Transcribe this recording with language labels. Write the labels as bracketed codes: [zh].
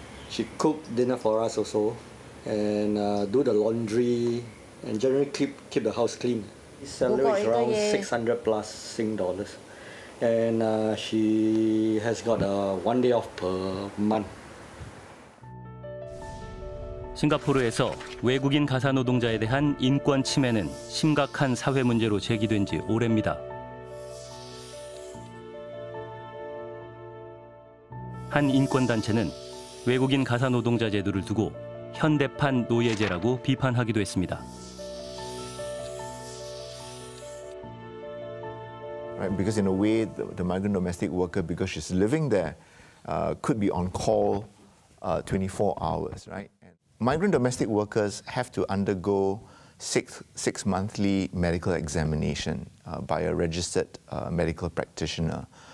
[en] She cook dinner for us also and do the laundry and generally keep the house clean. His salary is around 600 plus Sing dollars. And she has got a one day off per month. [ko] 싱가포르에서 외국인 가사 노동자에 대한 인권 침해는 심각한 사회 문제로 제기된 지 오래입니다. 한 인권 단체는 외국인 가사 노동자 제도를 두고 현대판 노예제라고 비판하기도 했습니다. [en] Right, because in a way, the migrant domestic worker, because she's living there, could be on call 24 hours, right? And migrant domestic workers have to undergo six monthly medical examination by a registered medical practitioner.